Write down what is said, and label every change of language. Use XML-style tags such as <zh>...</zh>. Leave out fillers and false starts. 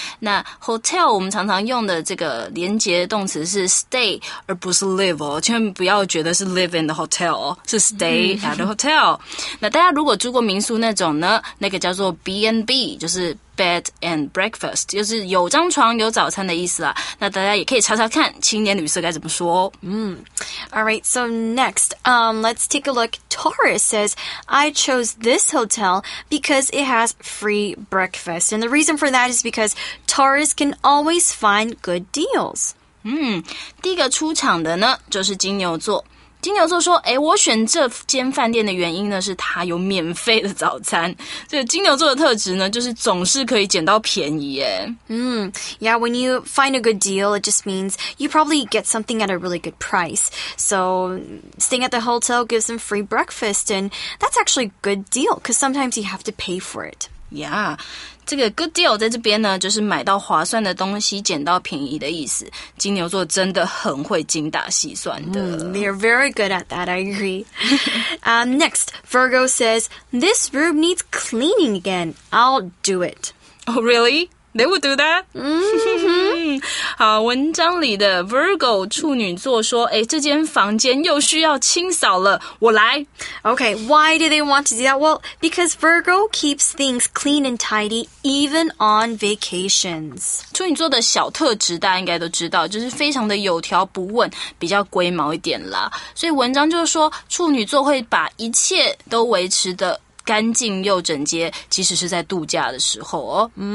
<zh>那 hotel 我们常常用的这个连结动词是 stay, 而不是 live 哦，千万不要觉得是</zh> <en>live in the hotel</en> <zh>哦，是</zh> <en>stay at the hotel。</en> <zh>那大家如果住过民宿那种呢，那个叫做 B&B, 就是Bed and breakfast, 就是有张床有早餐的意思啦。那大家也可以查查看青年旅社该怎么说哦。</zh> <en>Alright, so next, let's take a look. Taurus says, I chose this hotel because it has free breakfast. And the reason for that is because Taurus can always find good deals.</en> <zh>第一个出场的呢就是金牛座。金牛座说，诶，我选这间饭店的原因呢是它有免费的早餐。这个金牛座的特质呢就是总是可以捡到便宜耶。</zh> <en>Yeah, when you find a good deal, it just means you probably get something at a really good price. So, staying at the hotel gives them free breakfast, and that's actually a good deal, because sometimes you have to pay for it.</en> <zh>Yeah, 这个 good deal 在这边呢就是买到划算的东西捡到便宜的意思。金牛座真的很会精打细算的。</zh> <en>They're very good at that, I agree. Next, Virgo says, this room needs cleaning again. I'll do it. Oh, really? They would do that?</en> <zh>好，文章里的 Virgo 处女座说，诶，这间房间又需要清扫了，我来。</zh> <en>Okay, why do they want to do that? Well, because Virgo keeps things clean and tidy even on vacations.</en> <zh>处女座的小特质大家应该都知道，就是非常的有条不紊，比较龟毛一点啦。所以文章就说，处女座会把一切都维持的干净又整洁，即使是在度假的时候哦。</zh>